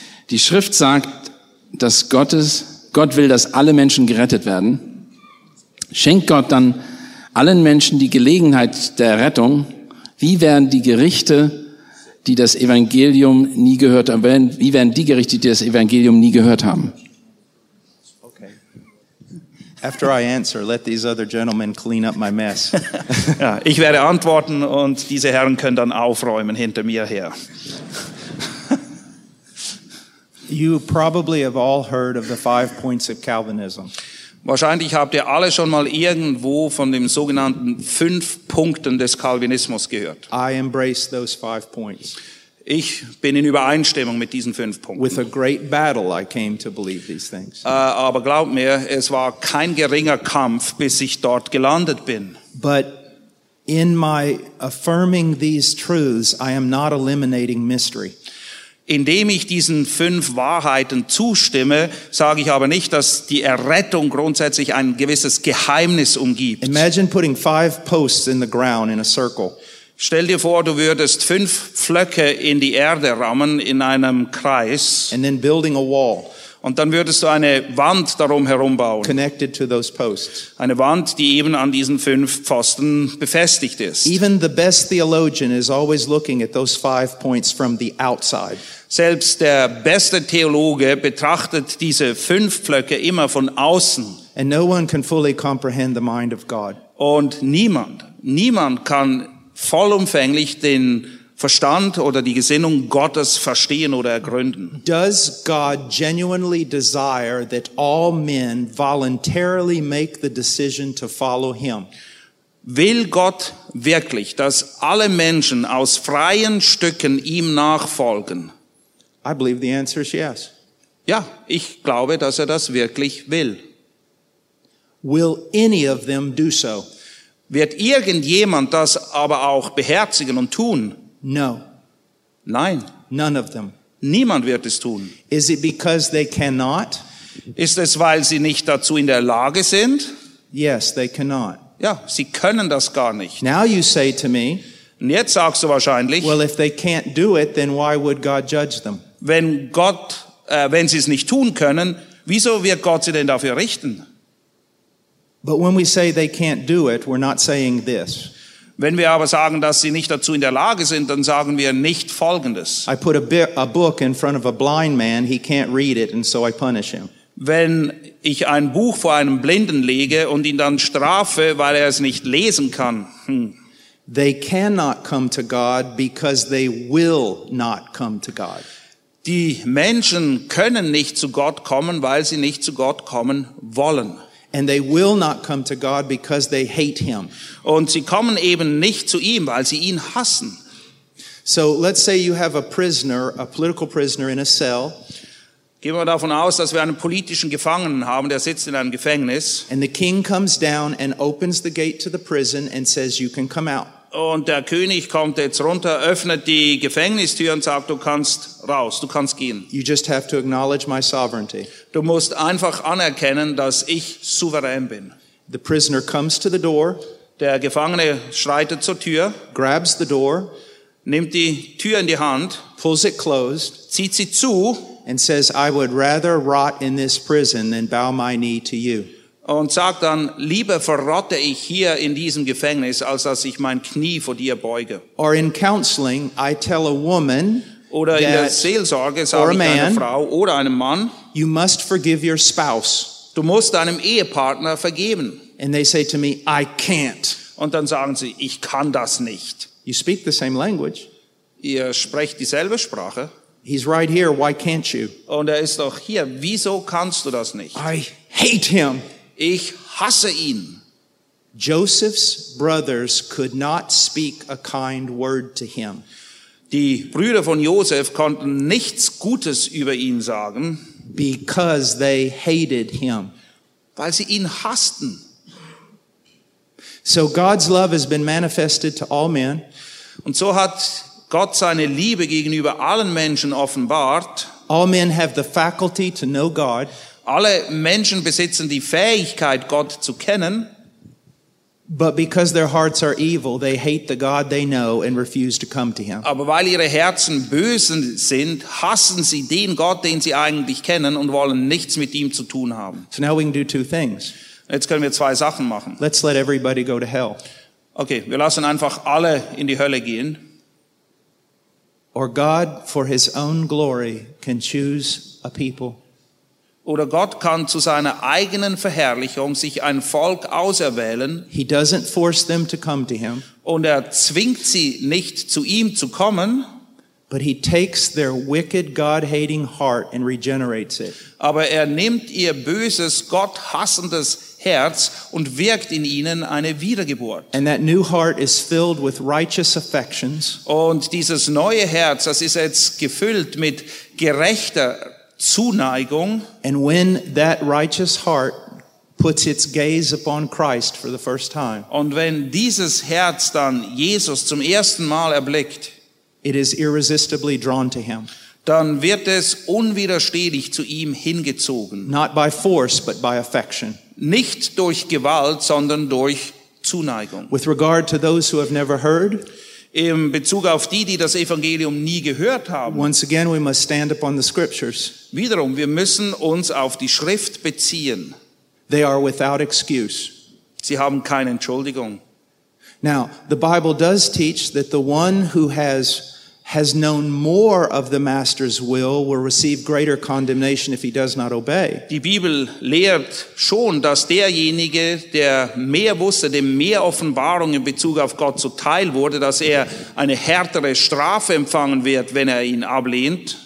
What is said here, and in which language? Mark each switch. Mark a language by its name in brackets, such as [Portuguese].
[German] Die Schrift sagt, dass Gott will, dass alle Menschen gerettet werden. Schenkt Gott dann allen Menschen die Gelegenheit der Rettung, wie werden die Gerichte, die das Evangelium nie gehört haben, wie werden die Gerichte, die das Evangelium nie gehört haben? Okay. [English] After I answer, let these other gentlemen clean up my mess. [German] Ja, ich werde antworten und diese Herren können dann aufräumen hinter mir her. [English] You probably have all heard of the 5 points of Calvinism. [German] Wahrscheinlich habt ihr alle schon mal irgendwo von den sogenannten 5 Punkten des Calvinismus gehört. [English] I embrace those 5 points. [German] Ich bin in Übereinstimmung mit diesen 5 Punkten. [English] With a great battle I came to believe these things. [German] Aber glaubt mir, es war kein geringer Kampf, bis ich dort gelandet bin. [English] But in my affirming these truths, I am not eliminating mystery. [German] Indem ich diesen 5 Wahrheiten zustimme, sage ich aber nicht, dass die Errettung grundsätzlich ein gewisses Geheimnis umgibt. [English] Imagine putting 5 posts in the ground in a circle. [German] Stell dir vor, du würdest 5 Pflöcke in die Erde rammen in einem Kreis. [English] And then building a wall. [German] Und dann würdest du eine Wand darum herum bauen. [English] Connected to those posts. [German] Eine Wand, die eben an diesen 5 Pfosten befestigt ist. [English] Even the best theologian is always looking at those 5 points from the outside. [German] Selbst der beste Theologe betrachtet diese 5 Pflöcke immer von außen. [English] And no one can fully comprehend the mind of God. [German] Und niemand kann vollumfänglich den Verstand oder die Gesinnung Gottes verstehen oder ergründen. [English] Does God genuinely desire that all men voluntarily make the decision to follow him? [German] Will Gott wirklich, dass alle Menschen aus freien Stücken ihm nachfolgen? [English] I believe the answer is yes. [German] Ja, ich glaube, dass er das wirklich will. [English] Will any of them do so? [German] Wird irgendjemand das aber auch beherzigen und tun? [English] No. [German] Nein. [English] None of them. [German] Niemand wird es tun. [English] Is it because they cannot? [German] Ist es, weil sie nicht dazu in der Lage sind? [English] Yes, they cannot. [German] Ja, sie können das gar nicht. [English] Now you say to me. [German] Und jetzt sagst du wahrscheinlich. [English] Well, if they can't do it, then why would God judge them? [German] Wenn sie es nicht tun können, wieso wird Gott sie denn dafür richten? [English] But when we say they can't do it, we're not saying this. [German] Wenn wir aber sagen, dass sie nicht dazu in der Lage sind, dann sagen wir nicht Folgendes. [English] I put a book in front of a blind man, he can't read it, and so I punish him. [German] Wenn ich ein Buch vor einem Blinden lege und ihn dann strafe, weil er es nicht lesen kann. [English] They cannot come to God because they will not come to God. [German] Die Menschen können nicht zu Gott kommen, weil sie nicht zu Gott kommen wollen. [English] And they will not come to God because they hate him. [German] Und sie kommen eben nicht zu ihm, weil sie ihn hassen. [English] So let's say you have a prisoner, a political prisoner in a cell. [German] Gehen wir davon aus, dass wir einen politischen Gefangenen haben, der sitzt in einem Gefängnis. [English] And the king comes down and opens the gate to the prison and says, you can come out. [German] Und der König kommt jetzt runter, öffnet die Gefängnistür und sagt, du kannst raus, du kannst gehen. [English] You just have to acknowledge my sovereignty. [German] Du musst einfach anerkennen, dass ich souverän bin. [English] The prisoner comes to the door. [German] Der Gefangene schreitet zur Tür. [English] Grabs the door. [German] Nimmt die Tür in die Hand. [English] Pulls it closed. [German] Zieht sie zu. [English] And says, I would rather rot in this prison than bow my knee to you. [German] Und sagt dann, lieber verrotte ich hier in diesem Gefängnis, als dass ich mein Knie vor dir beuge. [English] Or in counseling, I tell a woman, [German] oder in der Seelsorge sage ich einer Frau oder einem Mann, [English] you must forgive your spouse. [German] Du musst deinem Ehepartner vergeben. [English] And they say to me, I can't. [German] Und dann sagen sie, ich kann das nicht. [English] You speak the same language. [German] Ihr sprecht dieselbe Sprache. [English] He's right here, why can't you? [German] Und er ist doch hier, wieso kannst du das nicht? [English] I hate him. [German] Ich hasse ihn. [English] Joseph's brothers could not speak a kind word to him. [German] Die Brüder von Josef konnten nichts Gutes über ihn sagen. [English] Because they hated him. [German] Weil sie ihn hassten. [English] So God's love has been manifested to all men. [German] Und so hat Gott seine Liebe gegenüber allen Menschen offenbart. [English] All men have the faculty to know God. [German] Alle Menschen besitzen die Fähigkeit, Gott zu kennen. [English] But because their hearts are evil, they hate the God they know and refuse to come to him. [German] Aber weil ihre Herzen böse sind, hassen sie den Gott, den sie eigentlich kennen und wollen nichts mit ihm zu tun haben. [English] So now we can do two things. [German] Jetzt können wir zwei Sachen machen. [English] Let's let everybody go to hell. [German] Okay, wir lassen einfach alle in die Hölle gehen. [English] Or God, for his own glory, can choose a people. [German] Oder Gott kann zu seiner eigenen Verherrlichung sich ein Volk auserwählen. [English] He doesn't force them to come to him. [German] Und er zwingt sie nicht zu ihm zu kommen. [English] But he takes their wicked, God-hating heart and regenerates it. [German] Aber er nimmt ihr böses, gotthassendes Herz und wirkt in ihnen eine Wiedergeburt. [English] And that new heart is filled with righteous affections. [German] Und dieses neue Herz, das ist jetzt gefüllt mit gerechter Zuneigung. [English] And when that righteous heart puts its gaze upon Christ for the first time. [German] Und wenn dieses Herz dann Jesus zum ersten Mal erblickt, [English] it is irresistibly drawn to him. [German] Dann wird es unwiderstehlich zu ihm hingezogen. [English] Not by force, but by affection. [German] Nicht durch Gewalt, sondern durch Zuneigung. [English] With regard to those who have never heard, [German] in Bezug auf die, die das Evangelium nie gehört haben. [English] Once again, we must stand upon the scriptures. [German] Wiederum, wir müssen uns auf die Schrift beziehen. [English] They are without excuse. [German] Sie haben keine Entschuldigung. [English] Now, the Bible does teach that the one who has known more of the master's will receive greater condemnation if he does not obey. [German] Die Bibel lehrt schon, dass derjenige, der mehr wusste, dem mehr Offenbarung in Bezug auf Gott zuteil wurde, dass er eine härtere Strafe empfangen wird, wenn er ihn ablehnt.